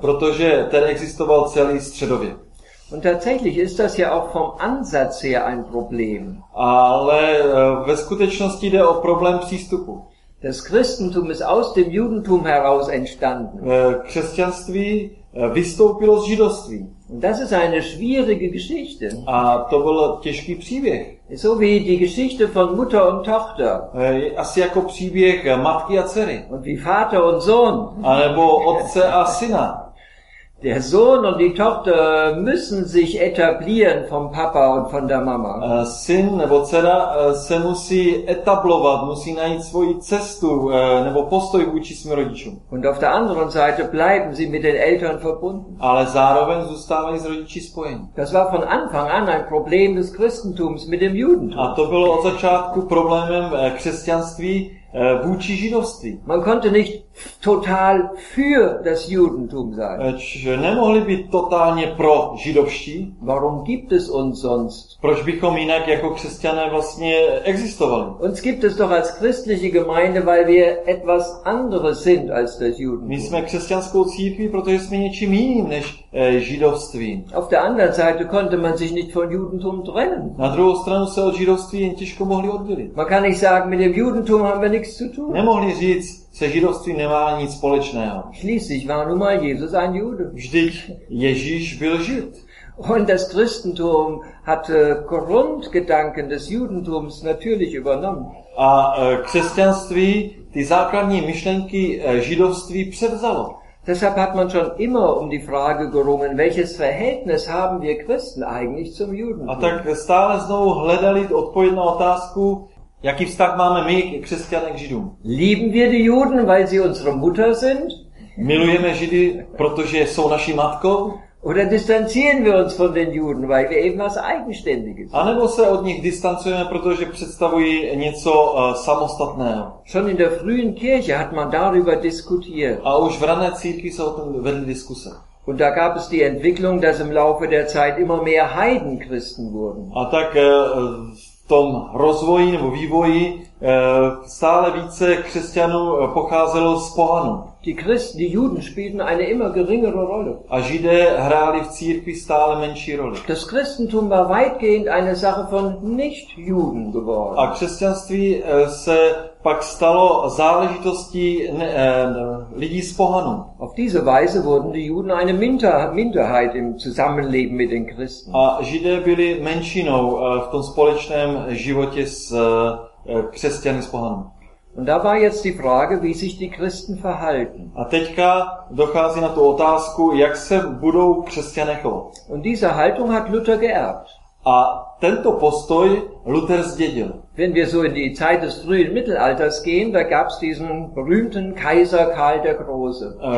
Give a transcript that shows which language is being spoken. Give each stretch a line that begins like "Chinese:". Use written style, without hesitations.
Czech: Protože ten existoval celý středověk.
German: Und tatsächlich ist das ja auch vom Ansatz her ein Problem.
Czech: Ale ve skutečnosti jde o problém přístupu.
German: Das Christentum ist aus dem Judentum heraus entstanden.
Czech: Křesťanství vystoupilo z židovství.
German: Und das ist eine schwierige Geschichte.
Czech: A to byl těžký příběh.
German: So wie die Geschichte von Mutter und Tochter.
Czech: Asi jako příběh matky a dcery.
German: Und wie Vater und Sohn.
Czech: A nebo otce a syna.
German: Der Sohn und die Tochter müssen sich etablieren vom Papa und von der Mama.
Czech: Syn nebo dcera se musí etablovat, musí najít svoji cestu nebo postoj vůči svým rodičům.
German: Und auf der anderen Seite bleiben sie mit den Eltern verbunden.
Czech: Ale zároveň zůstávají s rodiči spojeni.
German: Das war von Anfang an ein Problem des Christentums mit dem Judentum.
Czech: A to bylo od začátku problémem křesťanství vůči židovství.
German: Man konnte nicht total für das Judentum sein.
Czech: Nemohli být totálně pro židovští.
German: Warum gibt es uns sonst?
Czech: Proč bychom jinak jako křesťané vlastně existovali?
German: Uns gibt es doch als christliche Gemeinde, weil wir etwas anderes sind als das Judentum.
Czech: My jsme křesťanskou církví, protože jsme něčím jiným než židovství.
German: Auf der anderen Seite konnte man sich nicht von Judentum trennen.
Czech: Na druhou stranu se od židovství jen těžko mohli oddělit.
German: Man kann nicht sagen, mit dem Judentum haben wir nichts zu tun.
Czech: Nemohli říct, se židovství nemá nic společného.
German: Schließlich war nun mal Jesus ein Jude.
Czech: Vždyť Ježíš byl Žid.
German: Und das Christentum hatte Grundgedanken des Judentums natürlich übernommen.
Czech: A křesťanství ty základní myšlenky židovství převzalo.
German: Deshalb hat man schon immer um die Frage gerungen, welches Verhältnis haben wir Christen eigentlich zum Judentum?
Czech: A tak stále znovu hledali odpověď na otázku, jaký vztah máme my, křesťané, k Židům?
German: Lieben wir die Juden, weil sie unsere Mutter sind?
Czech: Milujeme Židy, protože jsou naší matkou?
German: Oder distanzieren wir uns von den Juden, weil wir eben was Eigenständiges sind?
Czech: A nebo se od nich distancujeme, protože představují něco samostatného?
German: Schon in der frühen Kirche hat man darüber diskutiert.
Czech: A už v rané církvi se o tom vedly diskuse.
German: Und da gab es die Entwicklung, dass im Laufe der Zeit immer mehr Heiden Christen wurden.
Czech: A tak tom rozvoji nebo vývoji stále více křesťanů pocházelo z pohanů.
German: Die Juden spielten eine immer geringere Rolle.
Czech: A Židé hráli v církvi stále menší roli.
German: Das Christentum war weitgehend eine Sache von Nicht-Juden geworden.
Czech: A křesťanství se pak stalo záležitostí lidí z pohanů.
German: Auf diese Weise wurden die Juden eine Minderheit im Zusammenleben mit den Christen.
Czech: A Židé byli menšinou v tom společném životě s křesťany z pohanů.
German: Und da war jetzt die Frage, wie sich die Christen verhalten.
Czech: A teďka dochází na tu otázku, jak se budou křesťané chovat.
German: Und diese Haltung hat Luther geerbt.
Czech: A tento postoj Luther zdědil.
German: Wenn wir so in die Zeit des frühen Mittelalters gehen, da gab's diesen berühmten Kaiser Karl der Große.